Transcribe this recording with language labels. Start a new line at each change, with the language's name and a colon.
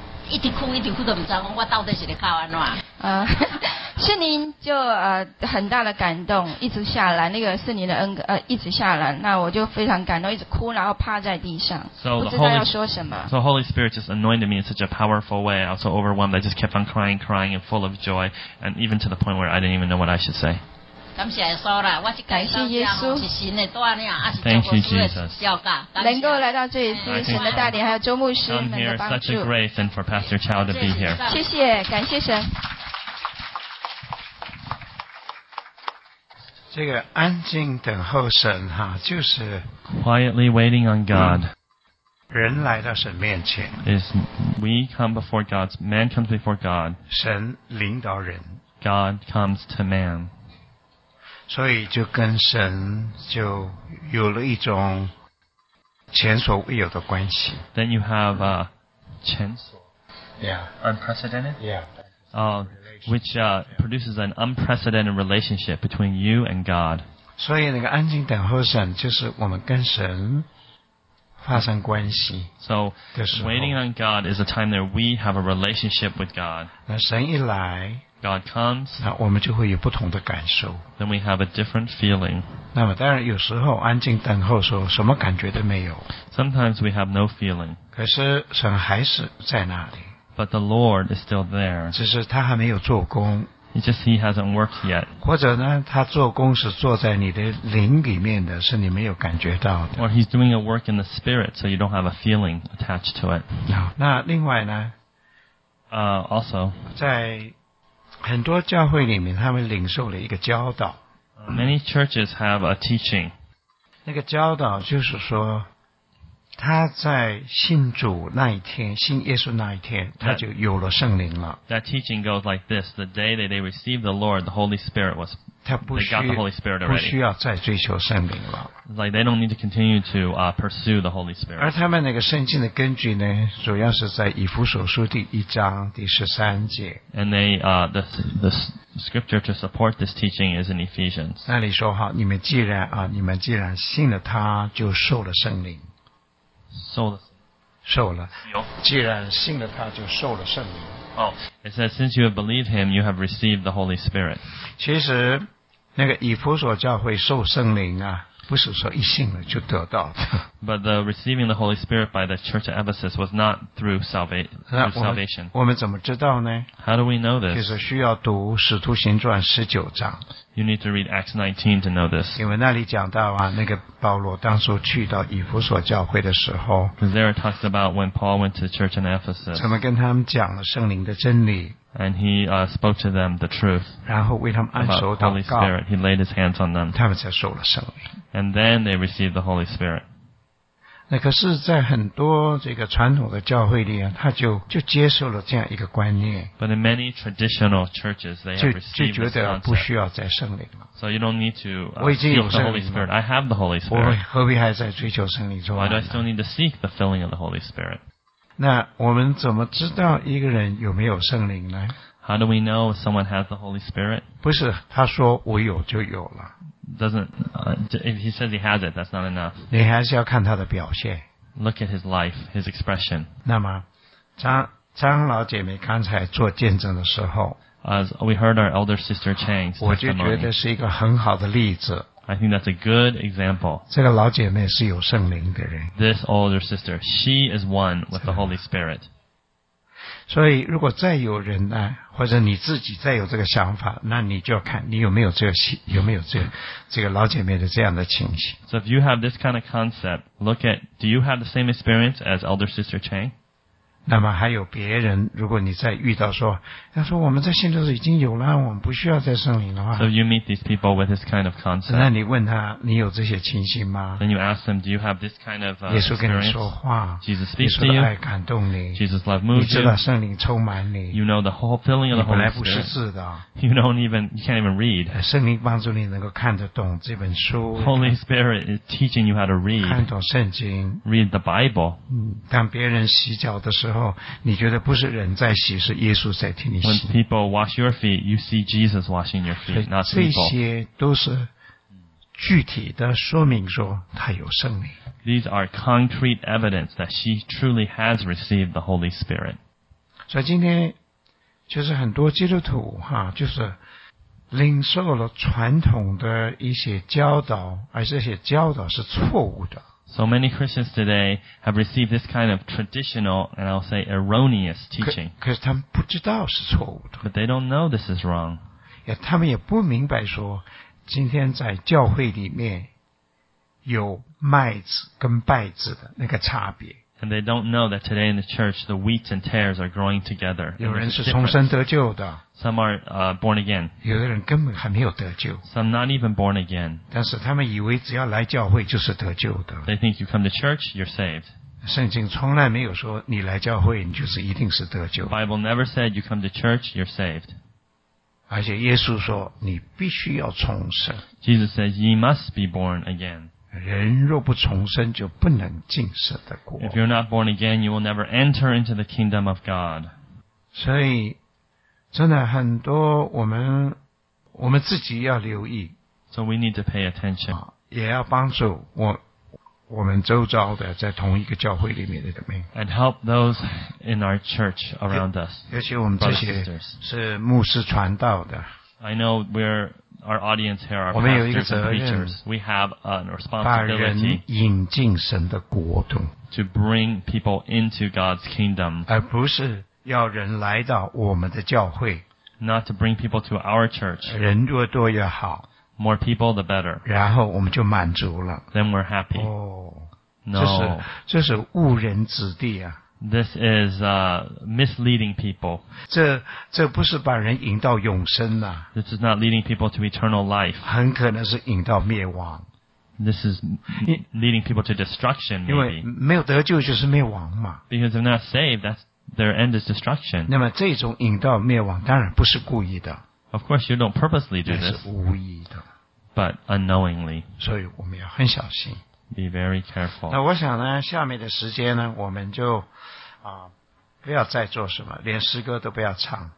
Chinese: 一直哭一直哭都不知道我到底是在靠怎样。圣灵就很大的感动，一直下来，那个圣灵的恩一直下来，那我就非常感动，一直哭，然后趴在地上，不知道要说什么。
English: So Holy Spirit just anointed me in such a powerful way. I was so overwhelmed. I just kept on crying, crying, and full of joy, and even to the point where I didn't even know what I should say.
Chinese: 感谢耶稣啦，我是感谢耶稣，是神的带领，还是教会的教导，能够来到这里是神的带领，还有周牧师们的帮助。
English: Such a grace, and for Pastor Chow to be here.
Chinese: 谢谢，感谢神。这个安静等候神哈，就是
English: quietly waiting on God.
Chinese: 人来到神面前
English: is we come before God. Man comes before God.
Chinese: 神领导人
English: God comes to man.
Chinese: 所以就跟神就有了一种前所未有的关系。
English: Then you have a
Chinese: 前所
English: yeah unprecedented yeah which produces an unprecedented relationship between you and God.
Chinese: 所以那个安静等候神就是我们跟神发生关系。
English: So waiting on God is a time that we have a relationship with God.
Chinese: 那神一来。
English: God comes,
Chinese: 那我们就会有不同的感受。
English: Then we have a different feeling.
Chinese: 那么当然有时候安静等候说什么感觉都没有。
English: Sometimes we have no feeling.
Chinese: 可是神还是在那里。
English: But the Lord is still there.
Chinese: 只是他还没有做工。
English: It's just he hasn't worked yet.
Chinese: 或者呢他做工是坐在你的灵里面的，是你没有感觉到的。
English: Or he's doing a work in the spirit, so you don't have a feeling attached to it.
Chinese: 那另外呢
English: Also,
Chinese: 在很多教会里面，他们领受了一个教导。
English: Many churches have a teaching.
Chinese: 那个教导就是说，他在信主那一天，信耶稣那一天，他就有了圣灵了。
English: That teaching goes like this: the day that they received the Lord, the Holy Spirit was
Chinese: 他不需
English: they got the Holy Spirit already.
Chinese: 不需要再追求圣灵了。
English: Like they don't need to continue to pursue the Holy Spirit.
Chinese: 而他们那个圣经的根据呢，主要是在以弗所书第一章第十三节。
English: And they the scripture to support this teaching is in Ephesians.
Chinese: 那里说哈，你们既然啊，你们既然信了他，就受了圣灵。受了。既然信了他，就受了圣灵。
English: Oh, it says, since you have believed him, you have received the Holy Spirit.
Chinese: 其实那个以弗所教会受圣灵啊，不是说一信了就得到的。
English: But the receiving the Holy Spirit by the church at Ephesus was not through salvation.
Chinese: 我们怎么知道呢？
English: How do we know this?
Chinese: 就是需要读使徒行传十九章。
English: You need to read Acts 19 to know this.
Chinese: 因为那里讲到啊，那个保罗当初去到以弗所教会的时候。
English: Because there it talks about when Paul went to the church in Ephesus.
Chinese: 怎么跟他们讲了圣灵的真理。
English: And he spoke to them the truth.
Chinese: 然后为他们按手祷告。
English: Holy Spirit, he laid his hands on them.
Chinese: 他们才受了圣灵。
English: And then they received the Holy Spirit.
Chinese: 那可是在很多这个传统的教会里啊，他就接受了这样一个观念。
English: But in many traditional churches, they have received the Holy Spirit.
Chinese: 就觉得不需要再圣灵了。
English: So you don't need to seek the Holy Spirit. I have the Holy Spirit.
Chinese: 我何必还在追求圣灵做完呢？
English: Why do I still need to seek the filling of the Holy Spirit?
Chinese: 那我们怎么知道一个人有没有圣灵呢？
English: How do we know someone has the Holy Spirit?
Chinese: 不是他说我有就有了。
English: If he says he has it, that's not enough.
Chinese: 你还是要看他的表现。
English: Look at his life, his expression.
Chinese: 那么张老姐妹刚才做见证的时候，
English: As we heard our elder sister Chang's testimony,
Chinese: 我就觉得是一个很好的例子。
English: I think that's a good example.
Chinese: 这个老姐妹是有圣灵的人。
English: This older sister, she is one with the Holy Spirit.
Chinese: 所以如果再有人呢，或者你自己再有这个想法，那你就要看你有没有这个老姐妹的这样的情形。
English: So if you have this kind of concept, look at, do you have the same experience as elder sister Chang?
Chinese: 那么还有别人，如果你再遇到说，他说我们在信徒已经有了，我们不需要再圣灵的话。
English: So you meet these people with this kind of concept.
Chinese: 那你问他，你有这些情形吗？
English: Then you ask them, do you have this kind of experience?
Chinese: 耶稣跟你说话。
English: Jesus speaks to you.
Chinese: 耶稣的爱感动你。
English: Jesus love moves you.
Chinese: 你知道圣灵充满你。
English: You know the whole filling of the Holy Spirit.
Chinese: 你本来不识字的。
English: You don't even, you can't even read.
Chinese: 圣灵帮助你能够看得懂这本书。
English: Holy Spirit is teaching you how to read.
Chinese: 看懂圣经。
English: Read the Bible.
Chinese: 嗯，当别人洗脚的时候。你觉得不是人在洗，是耶稣在替你洗。
English: When people wash your feet, you see Jesus washing your feet, not people.
Chinese: 这些都是具体的说明说他有圣灵。
English: These are concrete evidence that she truly has received the Holy Spirit.
Chinese: 所以今天就是很多基督徒哈，就是领受了传统的一些教导，而这些教导是错误的。
English: So many Christians today have received this kind of traditional, and I'll say erroneous teaching.
Chinese: 可是他们不知道是错误的。
English: But they don't know this is wrong.
Chinese: 也他们也不明白说，今天在教会里面有麦子跟稗子的那个差别。
English: And they don't know that today in the church, the wheat and tares are growing together.
Chinese: 有人是重生得救的。
English: Some are born again.
Chinese: 有的人根本还没有得救。
English: Some not even born again.
Chinese: 但是他们以为只要来教会就是得救的。
English: They think you come to church, you're saved.
Chinese: 圣经从来没有说你来教会你就是一定是得救。
English: Bible never said you come to church, you're saved.
Chinese: 而且耶稣说你必须要重生。
English: Jesus says you must be born again.
Chinese: 人若不重生就不能进神的国。
English: If you're not born again, you will never enter into the kingdom of God.
Chinese: 所以真的很多我们自己要留意。
English: So we need to pay attention.
Chinese: 也要帮助我们周遭的在同一个教会里面的姐妹。
English: And help those in our church around us.
Chinese: 尤其我们这些是牧师传道的。
English: I know we're,Our audience here are pastors and preachers. We have a responsibility to bring people into God's kingdom.
Chinese: 而不是要人来到我们的教会。
English: Not to bring people to our church.
Chinese: 人越多越好。
English: More people, the better.
Chinese: 然后我们就满足了。
English: Then we're happy. Oh, no.
Chinese: 这是误人子弟啊。
English: This is misleading people.
Chinese: 这不是把人引到永生啊。
English: This is not leading people to eternal life.
Chinese: 很可能是引到灭亡。
English: This is leading people to destruction, maybe.
Chinese: 因为没有得救就是灭亡嘛。
English: Because they're not saved, their end is destruction.
Chinese: 那么这种引到灭亡当然不是故意的。
English: Of course, you don't purposely do this.
Chinese: 但是无意的。
English: But unknowingly.
Chinese: 所以我们要很小心。
English: Be very careful.
Chinese: 那我想呢，下面的时间呢，我们就不要再做什么，连诗歌都不要唱。